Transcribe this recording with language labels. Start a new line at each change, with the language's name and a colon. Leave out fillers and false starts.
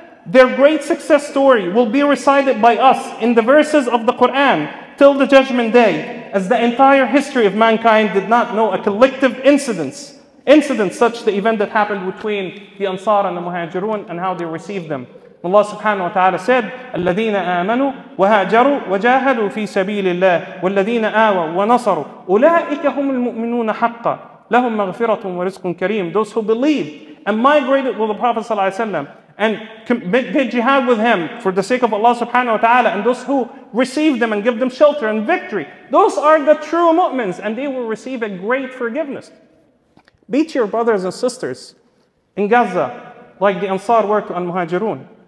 English: Their great success story will be recited by us in the verses of the Quran till the judgment day, as the entire history of mankind did not know a collective incident such the event that happened between the Ansar and the Muhajirun and how they received them. Allah subhanahu wa ta'ala said,
Arabic: الَّذِينَ آمَنُوا وَهَاجَرُوا وَجَاهَدُوا فِي سَبِيلِ اللَّهِ وَالَّذِينَ آوَوا وَنَصَرُوا أُولَٰئِكَ هُمُ الْمُؤْمِنُونَ حَقَّ لَهُمْ مَغْفِرَةٌ وَرِزْقٌ كَرِيمٌ.
English: Those who believe and migrated with the Prophet sallallahu alayhi wa sallam and made jihad with him for the sake of Allah subhanahu wa ta'ala, and those who receive them and give them shelter and victory, those are the true mu'mins, and they will receive a great forgiveness. Beat your brothers and sisters in Gaza like the Ansar were to Al-Muhajirun.